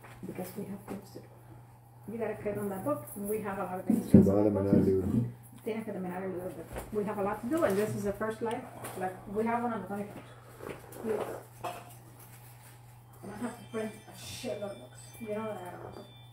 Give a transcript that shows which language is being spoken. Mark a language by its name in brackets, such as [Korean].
[English] Because we have things to do. You got to cut on that book, and we have a lot of things to do. [Spanish] Se va a terminar el libro. Tienes que terminar el libro. [English] We have a lot to do, and this is the first life, but we have one on the 21st. And I have to print a shitload of books. You know that I don't know.